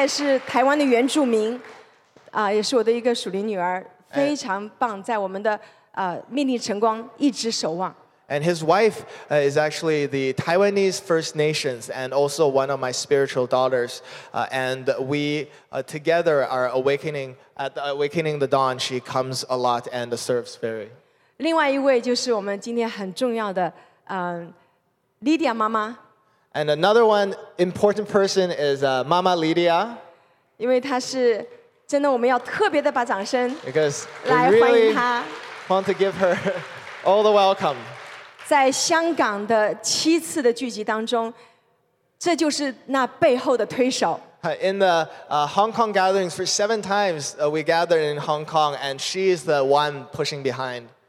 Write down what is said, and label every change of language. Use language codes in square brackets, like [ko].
[zh] 他的太太是台湾的原住民, 也是我的一个属灵女儿,非常棒, 在我们的, 命令晨光一直守望。 [en] And his wife is actually the Taiwanese First Nations and also one of my spiritual daughters. And we together are awakening, at the awakening the dawn, she comes a lot and serves very. [zh] 另外一位就是我们今天很重要的, Lydia 妈妈。 [en] And another one important person is Mama Lydia. [zh] 因为她是真的我们要特别的把掌声, [en] because we really want to give her all the welcome. [zh] 在香港的七次的聚集当中，这就是那背后的推手。 [en] In the Hong Kong gatherings, for seven times we gathered in Hong Kong, and she is the one pushing behind.